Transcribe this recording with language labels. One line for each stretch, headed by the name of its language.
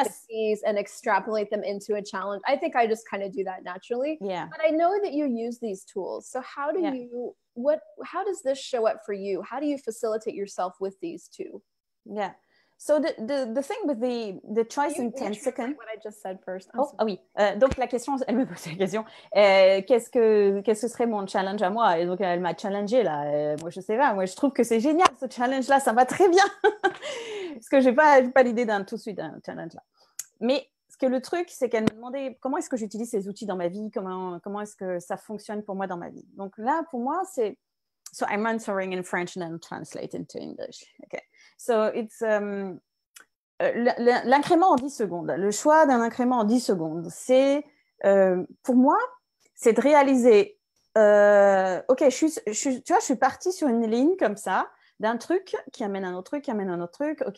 English: at the keys and extrapolate them into a challenge. I think I just kind of do that naturally. Yeah. But I know that you use these tools. So how do how does this show up for you? How do you facilitate yourself with these two? Yeah. So the thing with the choice in 10 seconds. What I just said first.
French: Oui. Donc la question, elle me pose la question. Qu'est-ce que serait mon challenge à moi? Et donc elle m'a challengé là. Moi je sais pas. Moi je trouve que c'est génial ce challenge là. Ça va très bien. Parce que j'ai pas l'idée d'un tout de suite d'un challenge là. Mais ce que le truc, c'est qu'elle me demandait comment est-ce que j'utilise ces outils dans ma vie, comment est-ce que ça fonctionne pour moi dans ma vie. Donc là, pour moi, c'est...
English: So I'm answering in French and then translate into English. Okay. So it's...
French: L'incrément en 10 secondes, le choix d'un incrément en 10 secondes, c'est... pour moi, c'est de réaliser... OK, je suis partie sur une ligne comme ça, d'un truc qui amène un autre truc, qui amène un autre truc, OK.